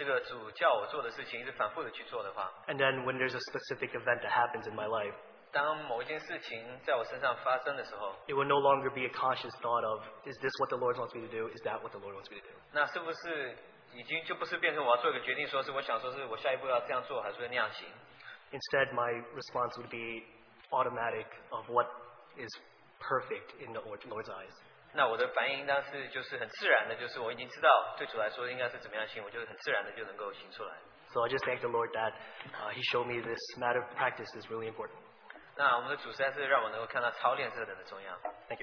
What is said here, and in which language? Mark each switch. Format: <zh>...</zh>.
<zh>那如果我去操练这个主叫我做的事情，一直反复的去做的话，</zh> <en>and then when there's a specific event that happens in my life,</en> <zh>当某一件事情在我身上发生的时候，</zh> <en>it will no longer be a conscious thought of, is this what the Lord wants me to do? Is that what the Lord wants me to do?</en> <zh>那是不是已经就不是变成我要做一个决定，说是我想说是我下一步要这样做，还是那样行？</zh> <en>Instead, my response would be automatic of what is perfect in the Lord's eyes.</en> <zh>那我的反应当时就是很自然的，就是我已经知道对主来说应该是怎么样行，我就很自然的就能够行出来。</zh> <en>So I just thank the Lord that He showed me this matter of practice is really important.</en> <zh>那我们的主实在是让我能够看到操练这个的重要。</zh> <en>Thank</en>